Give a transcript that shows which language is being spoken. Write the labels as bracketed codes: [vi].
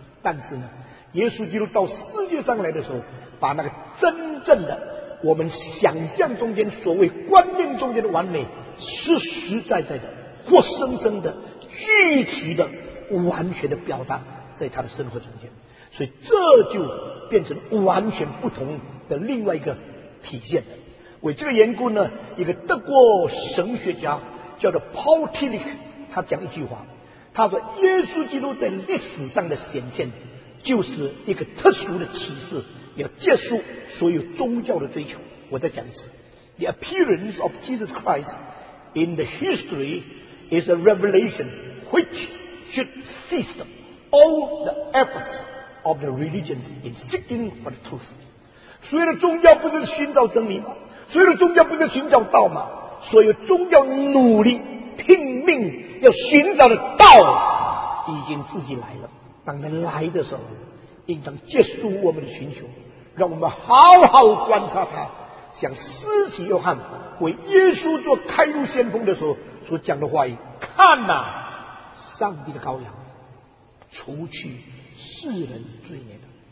[zh] 但是呢，耶稣基督到世界上来的时候，把那个真正的我们想象中间所谓观念中间的完美，实实在在的活生生的具体的完全的表达在他的生活中间，所以这就变成完全不同的另外一个体现。为这个缘故呢，一个德国神学家叫做 Paul Tillich， 他讲一句话，他说耶稣基督在历史上的显现就是一个特殊的启示，要结束所有宗教的追求。我再讲一次， [en] The appearance of Jesus Christ in the history is a revelation which should cease all the efforts of the religions in seeking for the truth。 [zh] 所有的宗教不是寻找真理吗？所有的宗教不是寻找道吗？所有宗教努力拼命要寻找的道已经自己来了，当他来的时候应当结束我们的寻求，让我们好好观察他，像施洗约翰为耶稣做开路先锋的时候所讲的话语，看哪、啊、上帝的羔羊，除去世人罪孽的。